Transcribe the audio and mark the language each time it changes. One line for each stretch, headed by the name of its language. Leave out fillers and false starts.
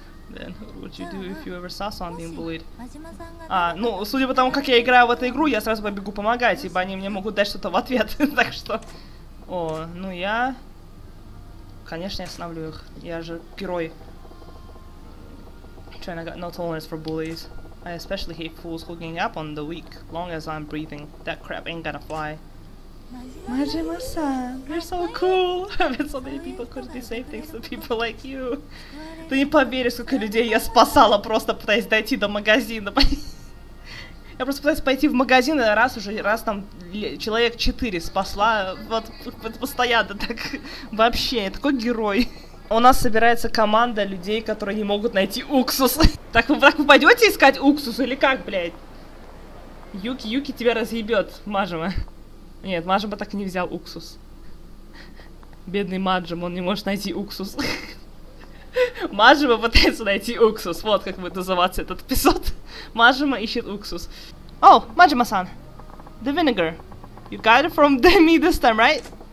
English: Then what would you do if you ever saw something bullied?
Russian: Ну, судя по тому, как я играю в эту игру, я сразу побегу помогать, ибо они мне могут дать что-то в ответ, так что... О, ну я... Конечно, я остановлю их. Я же герой.
English: China got no tolerance for bullies. I especially hate fools hooking up on the weak. Long as I'm breathing, that crap ain't gonna fly. Majima-san, you're so cool. I've met so many people who could do the same things to people like you.
Russian: Ты не поверишь, сколько людей я спасала, просто пытаясь дойти до магазина. Я просто пытаюсь пойти в магазин, и раз там человек 4 спасла, вот постоянно так вообще, я такой герой. У нас собирается команда людей, которые не могут найти уксус. Так вы пойдете искать уксус или как, блядь? Юки тебя разъебет, Мажима. Нет, Мажима так и не взял уксус. Бедный Мажима, он не может найти уксус. Мажима пытается найти уксус. Вот как будет называться этот эпизод. Мажима ищет уксус. О, Мажима-сан.
English: The vinegar. You got it from me this time, right?